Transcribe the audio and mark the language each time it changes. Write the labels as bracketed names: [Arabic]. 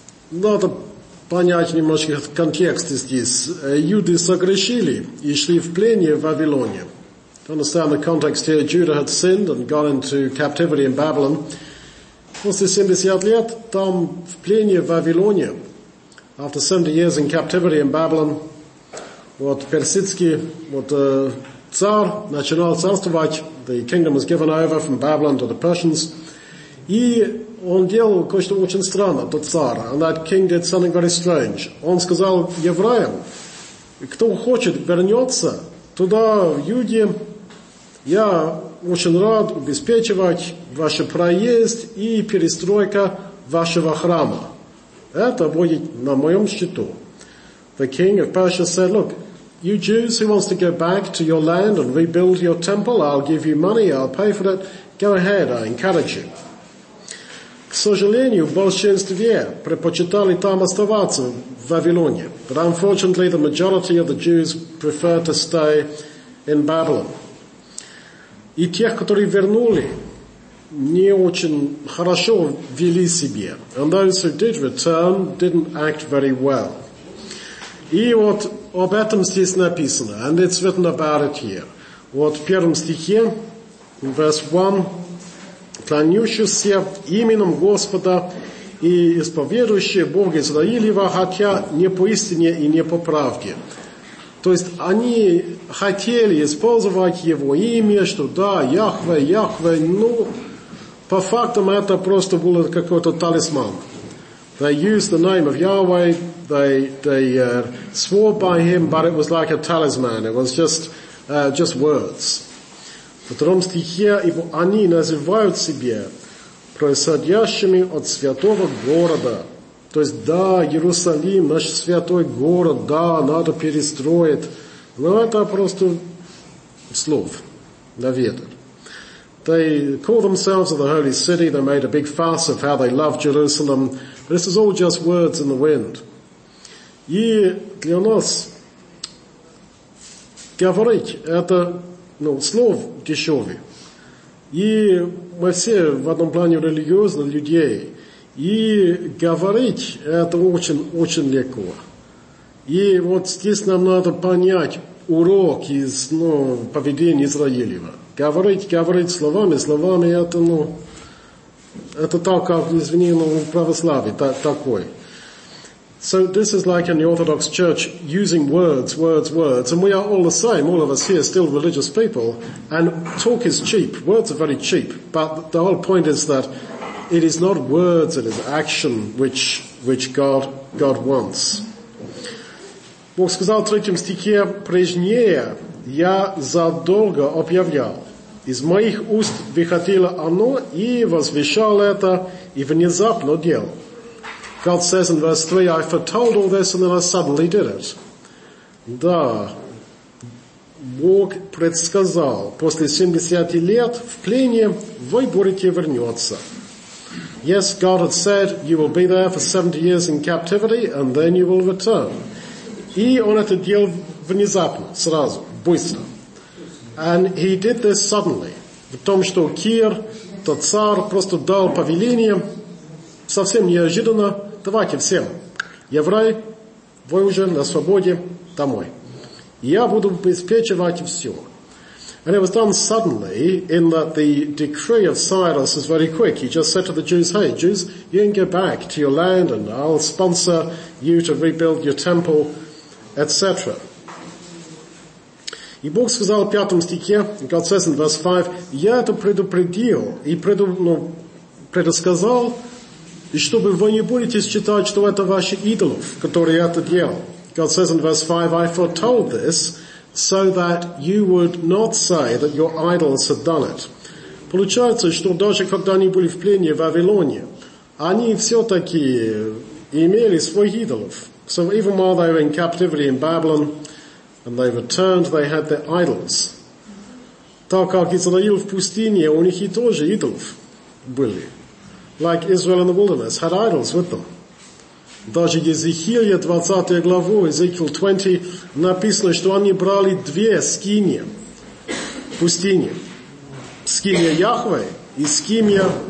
[Russian] Надо понять немножко контекст здесь. Юды согрешили и шли в пленение в Вавилоне. [English] To understand the context here, Judah had sinned and gone into captivity in Babylon. [Russian] После 70 лет там в пленении в Вавилоне, [English] after 70 years in captivity in Babylon, [Russian] вот персидский царь начинал царствовать, [English] the kingdom was given over from Babylon to the Persians, [Russian] и он делал кое-что очень странное, тот царь, [English] and that king did something very strange. [Russian] Он сказал евреям, кто хочет вернется туда, в Юде, я очень рад обеспечивать ваш проезд и перестройка вашего храма. Это будет на моем счету. [English] The king of Persia said, look, you Jews who wants to go back to your land and rebuild your temple, I'll give you money, I'll pay for it. Go ahead, I encourage you. [Russian] К сожалению, большинство предпочитали там оставаться, в Вавилоне. [English] But unfortunately, the majority of the Jews preferred to stay in Babylon. [Russian] И тех, которые вернули, не очень хорошо вели себя. [English] And those who did return didn't act very well. [Russian] И вот об этом здесь написано. [English] And it's written about it here. [Russian] Вот в первом стихе, [English] verse 1, [Russian] «Клянущийся именем Господа и исповедующий Бога Израилева, хотя не по истине и не по правде». То есть они хотели использовать его имя, что да, Яхве, Яхве, но по фактам это просто был какой-то талисман. [English] They used the name of Yahweh, they swore by him, but it was like a talisman, it was just words. [Russian] В втором стихе его они называют себя происходящими от святого города. То есть, да, Иерусалим, наш святой город, да, надо перестроить. Но это просто слов на ветер. [English] They call themselves the holy city. They made a big fuss of how they love Jerusalem. This is all just words in the wind. [Russian] И для нас говорить это, ну, слов дешевый. И мы все в одном плане религиозные людей. И говорить это очень-очень легко. И вот здесь нам надо понять урок из, ну, поведения Израилева. Говорить словами, это, ну, это так, как, извини, ну, в православии, такой. [English] So this is like in the Orthodox Church, using words. And we are all the same, all of us here, still religious people. And talk is cheap, words are very cheap. But the whole point is that it is not words, it is action which God wants. [Russian] Бог сказал в третьем стихе, прежнее я задолго объявлял. Из моих уст выходило оно и возвещал это, и внезапно делал. [English] God says in verse 3, I foretold all this and then I suddenly did it. [Russian] Да, Бог предсказал, после 70 лет в плене вы будете вернется. [English] Yes, God had said, you will be there for 70 years in captivity, and then you will return. [Russian] И он это делал внезапно, сразу, быстро. [English] And he did this suddenly. [Russian] В том, что Кир, тот царь, просто дал повеление, совсем неожиданно, давайте всем, евреи, вы уже на свободе, домой. Я буду обеспечивать все. [English] And it was done suddenly in that the decree of Cyrus is very quick. He just said to the Jews, hey, Jews, you can go back to your land and I'll sponsor you to rebuild your temple, etc. [Russian] И Бог сказал в пятом стихе, [English] God says in verse 5, [Russian] я это предупредил и предсказал, и чтобы вы не будете считать, что это ваши идолов, которые это делал. [English] God says in verse 5, I foretold this, so that you would not say that your idols had done it. [Russian] Получается, что даже когда они были в плене в Вавилоне, они все-таки имели своих идолов. [English] So even while they were in captivity in Babylon, and they returned, they had their idols. [Russian] Так как Израиль в пустыне, у них и тоже идолов были. [English] Like Israel in the wilderness had idols with them. [Russian] Даже Езекииле, 20 главу, Ezekiel 20, написано, что они брали две скинии в пустыне. Скиния Яхве и скиния